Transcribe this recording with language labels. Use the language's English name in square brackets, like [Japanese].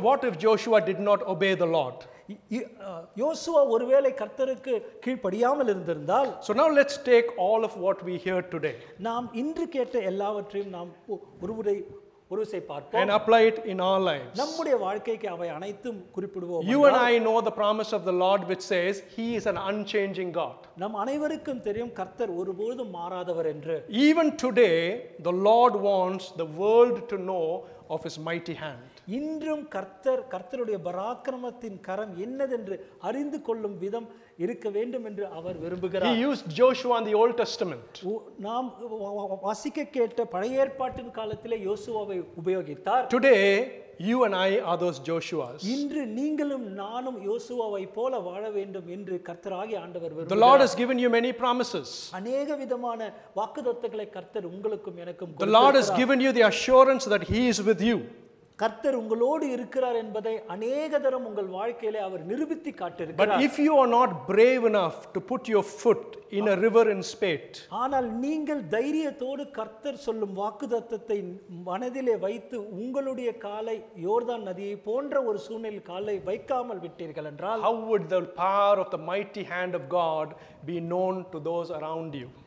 [English] What if Joshua did not obey the Lord? [Tamil] யோசுவா ஒருவேளை கர்த்தருக்கு கீழ்ப்படியாமல் இருந்திருந்தால் [English] So now let's take all of what we hear today. [Tamil] நாம் இன்று கேட்ட எல்லாவற்றையும் நாம் ஒருமுறை ஒருசை பார்ப்போம். [English] And apply it in our lives. [Tamil] நம்முடைய வாழ்க்கைக்கு அவை அனைத்தும் குறிப்பிடுவோம். [English] You and I know the promise of the Lord which says he is an unchanging God. [Tamil] நம் அனைவருக்கும் தெரியும் கர்த்தர் ஒருபோதும் மாறாதவர் என்று. [English] Even today the Lord wants the world to know of his mighty hand. [Tamil] இன்றும் கர்த்தருடைய பராக்கிரமத்தின் கரம் என்னதென்று அறிந்து கொள்ளும் விதம் இருக்க வேண்டும் என்று அவர் விரும்புகிறார். [English] He used Joshua in the Old Testament. [Tamil] நாம் வாசிக்க கேட்ட பழைய ஏற்பாட்டின் காலத்திலே யோசுவாவை உபயோகித்தார். [English] Today you and I are those Joshuas. [Tamil] இன்று நீங்களும் நானும் யோசுவாவை போல வாழ வேண்டும் என்று கர்த்தராகிய ஆண்டவர் விரும்புகிறார். [English] The Lord has given you many promises. [Tamil] அநேக விதமான வாக்குத்தத்தங்களை கர்த்தர் உங்களுக்கும் எனக்கும் கொடுத்திருக்கிறார். [English] The Lord has given you the assurance that he is with you. [Tamil] கர்த்தர் உங்களோடு இருக்கிறார் என்பதை அநேக தரம் உங்கள் வாழ்க்கையிலே அவர் நிரூபித்து காட்டியிருக்கிறார். [English] But if you are not brave enough to put your foot in a river in Spate, [Tamil] ஆனால் நீங்கள் தைரியத்தோடு கர்த்தர் சொல்லும் வாக்குத்தத்தை மனதிலே வைத்து உங்களுடைய காலை யோர்தான் நதியை போன்ற ஒரு சூழ்நிலையில் காலை வைக்காமல் விட்டீர்கள் என்றால், [English] How would the power of the mighty hand of God be known to those around you?